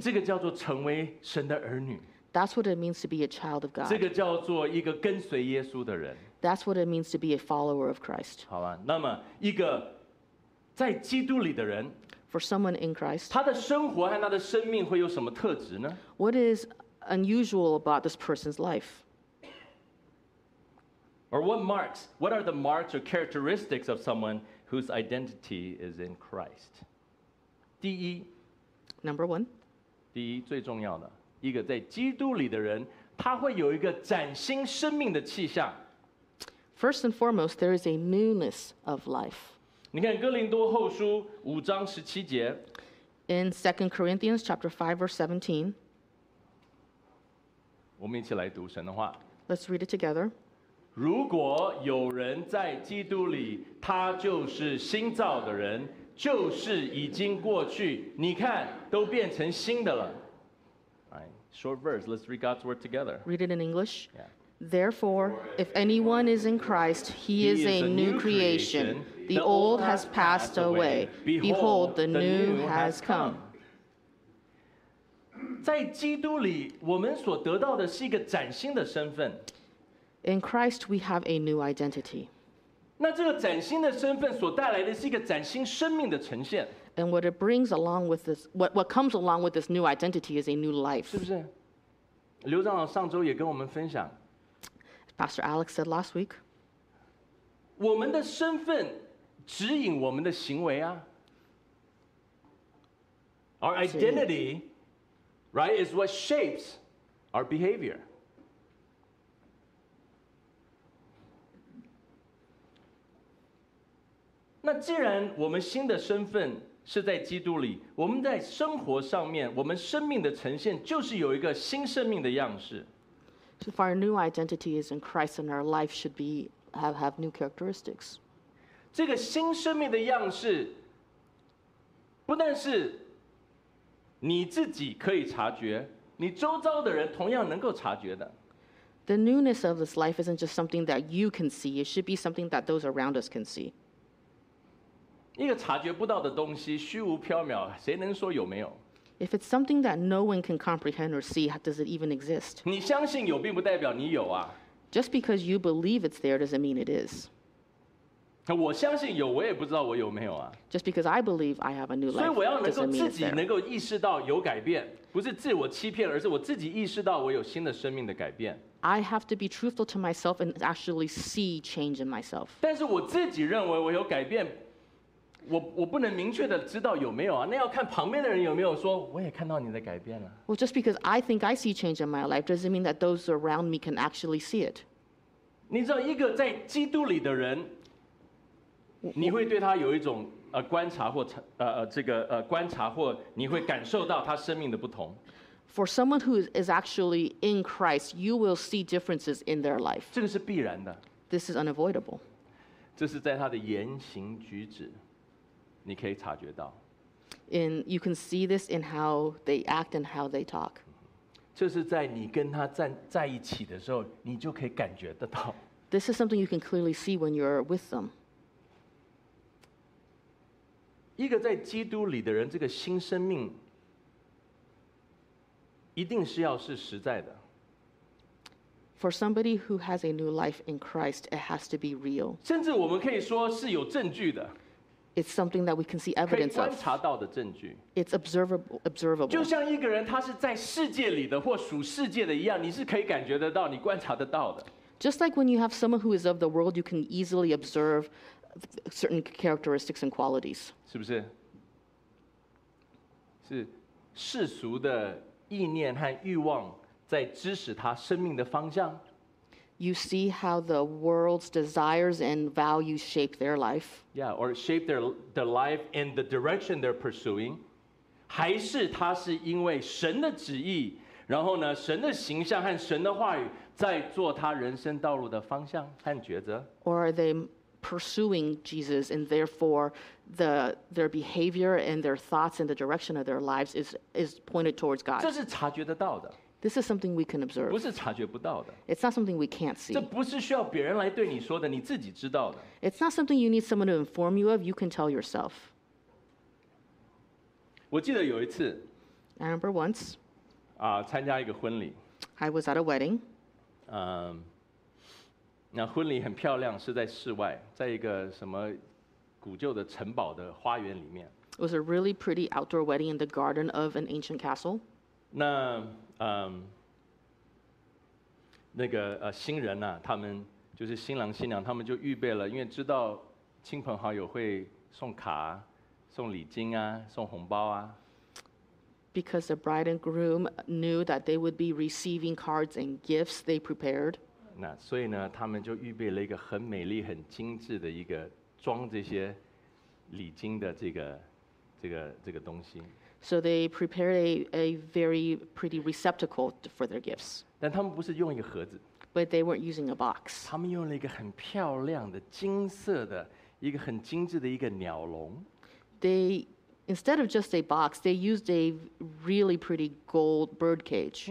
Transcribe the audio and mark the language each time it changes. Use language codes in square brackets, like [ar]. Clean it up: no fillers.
[zh] 这个叫做成为神的儿女。 [en] That's what it means to be a child of God. [zh] 这个叫做一个跟随耶稣的人。 [en] That's what it means to be a follower of Christ. [zh] 好吧，那么一个在基督里的人。 [en] For someone in Christ, [zh] 他的生活和他的生命会有什么特质呢？ [en] What is unusual about this person's life? Or what marks? What are the marks or characteristics of someone whose identity is in Christ? [zh] 第一 [en] Number one. [zh] 第一最重要的一个在基督里的人，他会有一个崭新生命的气象。 [en] First and foremost, there is a newness of life. [zh] 你看哥林多后书五章十七节 [en] In 2 Corinthians chapter 5 verse 17 [zh] 我们一起来读神的话 [en] Let's read it together [zh] 如果有人在基督里他就是新造的人旧事已经过去你看都变成新的了 [en] All right, Short verse, let's read God's word together Read it in English、 yeah. Therefore, if anyone is in Christ, he is a new creation. The old has passed away. Behold, the new has come. [zh] 在基督里，我们所得到的是一个崭新的身份。 [en] In Christ, we have a new identity. [zh] 那这个崭新的身份所带来的是一个崭新生命的呈现。 [en] And what it brings along with this, what comes along with this new identity is a new life. [zh] 是不是？刘长老上周也跟我们分享。 [en] Pastor Alex said last week, [zh] 我们的身份指引我们的行为啊。 [en] Our identity, right, is what shapes our behavior. [zh] 那既然我们新的身份是在基督里，我们在生活上面，我们生命的呈现就是有一个新生命的样式。 [en] If our new identity is in Christ and our life should be, have new characteristics. [zh] 这个新生命的样式不但是你自己可以察觉你周遭的人同样能够察觉的 [en] The newness of this life isn't just something that you can see. It should be something that those around us can see. [zh] 一个察觉不到的东西虚无缥缈谁能说有没有 [en] If it's something that no one can comprehend or see, does it even exist? [zh] 你相信有并不代表你有啊。 [en] Just because you believe it's there doesn't mean it is. [zh] 我相信有，我也不知道我有没有啊。 [en] Just because I believe I have a new life, [zh] 所以我要能够自己能够意识到有改变，不是自我欺骗，而是我自己意识到我有新的生命的改变。 [en] I have to be truthful to myself and actually see change in myself. [zh] 但是我自己认为我有改变。我不能明确的知道有没有啊，那要看旁边的人有没有说，我也看到你的改变了。 [en] Well, just because I think I see change in my life doesn't mean that those around me can actually see it. [zh] 你知道一个在基督里的人，你会对他有一种观察或观察或你会感受到他生命的不同。 [en] For someone who is actually in Christ, you will see differences in their life. [zh] 这个是必然的。 [en] This is unavoidable. [zh] 这是在他的言行举止。你可以察觉到 [en] in, you can see this in how they act and how they talk. [zh] 这是在你跟他在一起的时候，你就可以感觉得到。 [en] This is something you can clearly see when you're with them. [zh] 一个在基督里的人，这个新生命一定是要是实在的。 [en] For somebody who has a new life in Christ, it has to be real. [zh] 甚至我们可以说是有证据的。 [en] It's something that we can see evidence of. [zh] 可以观察到的证据。 [en] It's observable. [zh] 就像一个人他是在世界里的或属世界的一样，你是可以感觉得到，你观察得到的。 [en] Just like when you have someone who is of the world, you can easily observe certain characteristics and qualities. [zh] 是不是？是世俗的意念和欲望在指使他生命的方向。 [en] You see how the world's desires and values shape their life. Yeah, or shape their life and the direction they're pursuing. [zh] 还是他是因为神的旨意，然后呢，神的形象和神的话语在做他人生道路的方向和抉择。 [en] Or are they pursuing Jesus and therefore their behavior and their thoughts and the direction of their lives is pointed towards God? [zh] 这是察觉得到的。 [en] This is something we can observe. [zh] 不是察觉不到的。 [en] It's not something we can't see. [zh] 这不是需要别人来对你说的，你自己知道的。 [en] It's not something you need someone to inform you of. You can tell yourself. [zh] 我记得有一次 [en] ，I remember once. [zh] 啊，参加一个婚礼。 [en] I was at a wedding. [zh] 那婚礼很漂亮，是在室外，在一个什么古旧的城堡的花园里面。 [en] It was a really pretty outdoor wedding in the garden of an ancient castle. [zh] 那那个新人呐、啊，他们就是新郎新娘，他们就预备了，因为知道亲朋好友会送卡、啊、送礼金啊、送红包啊。 [en] Because the bride and groom knew that they would be receiving cards and gifts, they prepared. [zh] 那所以呢，他们就预备了一个很美丽、很精致的一个装这些礼金的这个东西。 [en] So they prepared a very pretty receptacle for their gifts. [zh] 但他们不是用一个盒子。 [en] But they weren't using a box. [zh] 他们用了一个很漂亮的金色的一个很精致的一个鸟笼。 [en] They instead of just a box, they used a really pretty gold bird cage.